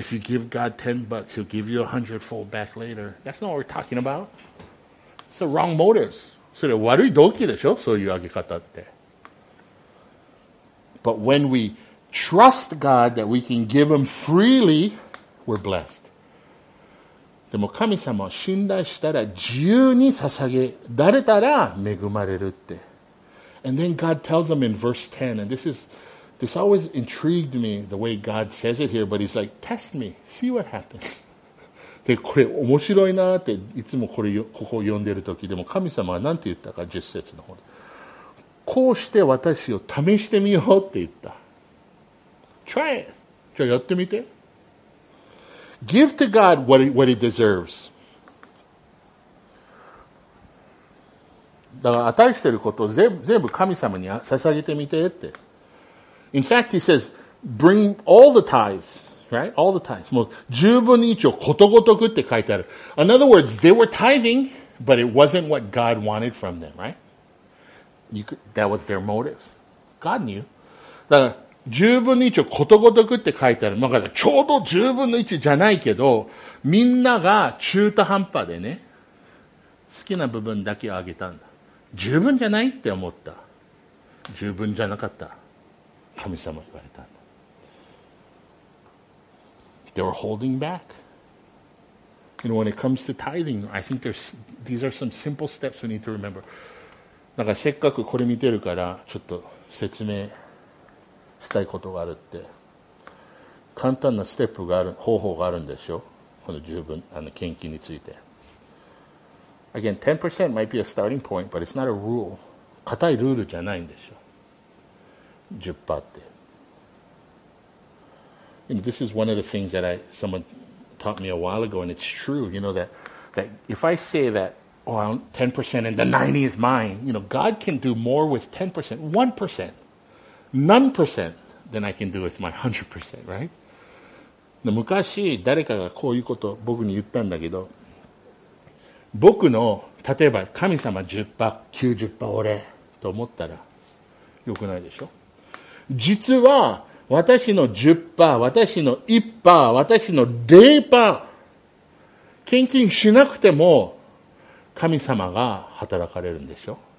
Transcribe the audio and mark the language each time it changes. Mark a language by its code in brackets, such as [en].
[en] If you give God 10 bucks, he'll give you 100 fold back later. That's not what we're talking about. It's the wrong motives. [ja] それ悪い動機でしょ。そういうあげ方って。 [en] But when we trust God that we can give him freely, we're blessed. [ja] でも神様を信頼したら自由に捧げられたら恵まれるって。 [en] And then God tells them in verse 10, and this always intrigued me the way God says it here, but he's like, test me, see what happens. [ja] で、これ面白いなっていつもこれここを読んでる時でも神様は何て言ったか、10節の方で、こうして私を試してみようって言った。 [en] Try it. [ja] じゃあやってみて。 [en] Give to God what he deserves. [ja] だから与えしてることを全部神様に捧げてみてって。 [en] In fact, he says, bring all the tithes, right? All the tithes. [ja] もう10分の1をことごとくって書いてある。 [en] In other words, they were tithing, but it wasn't what God wanted from them, right? That was their motive. God knew. [ja] だから十分の一をことごとくって書いてある。だからちょうど十分の一じゃないけど、みんなが中途半端でね、好きな部分だけをあげたんだ。十分じゃないって思った。十分じゃなかった。神様言われたんだ。 [en] They were holding back. You know, when it comes to tithing, I think these are some simple steps we need to remember. [ja] だからせっかくこれ見てるから、ちょっと説明したいことがあるって、簡単なステップがある、方法があるんでしょ、この十分、献金について。 [en] Again, 10% might be a starting point, but it's not a rule. [ja] 固いルールじゃないんでしょ、 10% って。 [en] You know, this is one of the things that someone taught me a while ago, and it's true, you know, that if I say that, oh, 10% and the 90 is mine, you know, God can do more with 10%, 1%None percent than I can do with my 100%, right? [ja] 昔誰かがこういうことを僕に言ったんだけど、僕の例えば神様 10%、90% 俺と思ったらよくないでしょ。実は私の 10%、 私の 1%、 私の 0% 献金しなくても神様が働かれるんでしょ。